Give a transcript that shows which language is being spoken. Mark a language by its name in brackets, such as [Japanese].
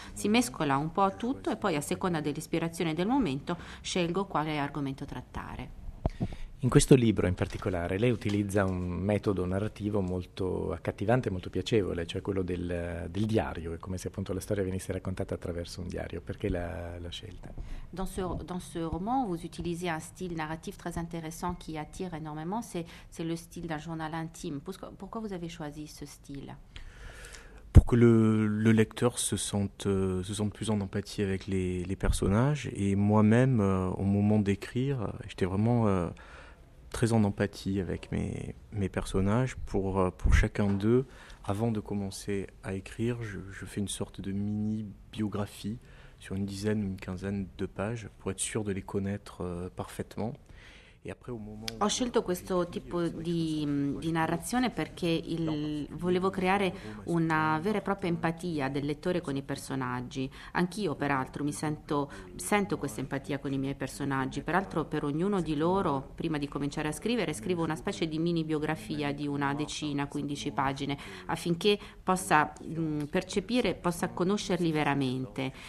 [Italian] Si mescola un po' tutto e poi a seconda dell'ispirazione del momento scelgo quale argomento trattare. In questo libro in particolare lei utilizza un metodo narrativo molto accattivante e molto piacevole, cioè quello del diario, è come se appunto la storia venisse raccontata attraverso un diario. Perché la scelta? [French] Dans ce roman, vous utilisez un style narratif très intéressant qui attire énormément, c'est le style d'un journal intime. Pourquoi vous avez choisi ce style? Pour que le lecteur se sente plus en empathie avec les personnages et moi-même au moment d'écrire, j'étais vraiment très en empathie avec mes personnages pour chacun d'eux. Avant de commencer à écrire, je fais une sorte de mini-biographie sur une dizaine ou une quinzaine de pages pour être sûr de les connaître parfaitement. [Italian] Ho scelto questo tipo di narrazione perché volevo creare una vera e propria empatia del lettore con i personaggi. Anch'io, peraltro, sento questa empatia con i miei personaggi. Peraltro, per ognuno di loro, prima di cominciare a scrivere, scrivo una specie di mini biografia di una decina, 15 pagine, affinché possa percepire, possa conoscerli veramente.